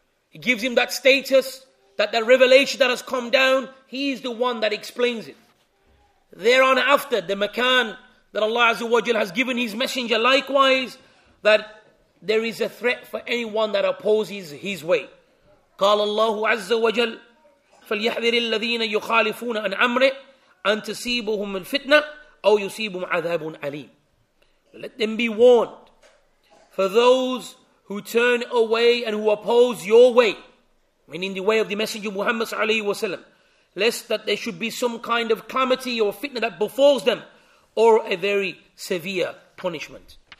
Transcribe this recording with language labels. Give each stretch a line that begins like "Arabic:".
English: He gives him that status, that the revelation that has come down, he is the one that explains it. Thereon after, the makan that Allah Azza wa Jalla has given his messenger, likewise, that there is a threat for anyone that opposes his way.
Arabic: قال الله عز وجل فليحذر الذين يخالفون عن أمره أن تصيبهم الفتنة أو يصيبهم عذاب أليم.
English: Let them be warned. For those who turn away and who oppose your way, meaning the way of the Messenger Muhammad sallallahu alaihi wasallam, lest that there should be some kind of calamity or fitna that befalls them, or a very severe punishment.